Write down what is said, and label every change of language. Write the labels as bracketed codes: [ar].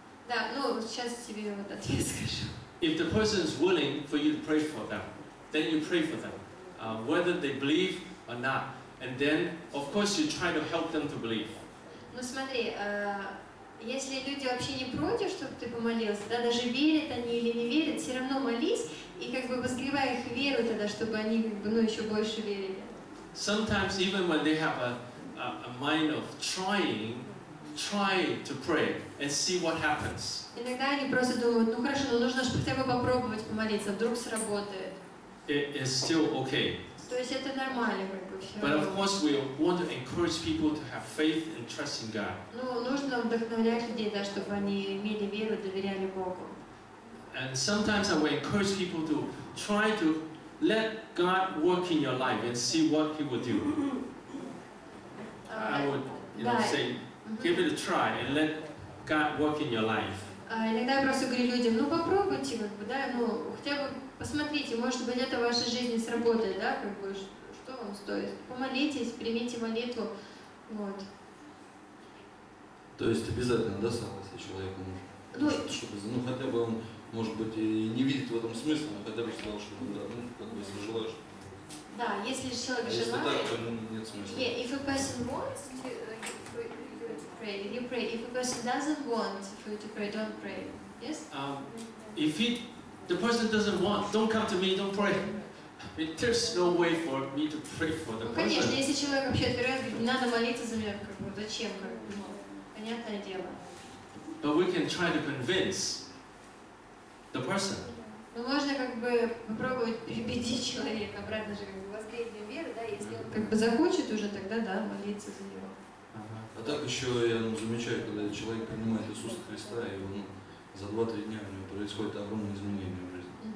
[ru] Да, ну, сейчас тебе вот ответ скажу. [en] If the person is willing for you to pray for them, then you pray for them, whether they believe or not, and then of course you try to help them to believe. [ru] Ну смотри, Если люди вообще не против, чтобы ты помолился, да, даже верят они или не верят, все равно молись и как бы возгревай их веру тогда, чтобы они как бы, ну, еще больше верили. [en] Sometimes even when they have a mind of trying, try to pray and see what happens. [ru] Иногда они просто думают, ну хорошо, но нужно же хотя бы попробовать помолиться, вдруг сработает. [en] It is still okay. [ru] То есть это нормально, как бы, все. [en] But of course we want to encourage people to have faith and trust in God. [ru] Ну, нужно вдохновлять людей, да, чтобы они имели веру, доверяли Богу. [en] And sometimes I will encourage people to try to let God work in your life and see what He will do. I would, you know, say, give it a try and let God work in your life. [ru] Иногда я просто говорю людям, ну попробуйте, как бы, да, ну хотя бы посмотрите, может быть это в вашей жизни сработает, да, как бы, что вам стоит? Помолитесь, примите молитву, вот. То есть обязательно, да, сам, если человеку нужно? Ну, чтобы, ну, хотя бы он, может быть, и не видит в этом смысла, но хотя бы сказал, что, да, ну, как бы, если желаешь. Да, если человек если желает... Если так, то ему нет смысла. [en] Yeah, if a person wants you pray. If a person doesn't want for you to pray, don't pray. Yes? The person doesn't want, don't come to me, don't pray. There's no way for me to pray for the person. [ru] Ну, конечно, если человек вообще отбирает, говорит, надо молиться за меня, как бы, зачем, как бы, понятное дело. [en] But we can try to convince the person. [ru] Ну, можно как бы попробовать перебедить человека, обратно же, как бы, воскресить веру, да, если он как бы захочет уже, тогда, да, молиться за него. А так еще я, ну, замечаю, когда человек принимает Иисуса Христа, и он за 2-3 дня у него происходит огромное изменение в жизни.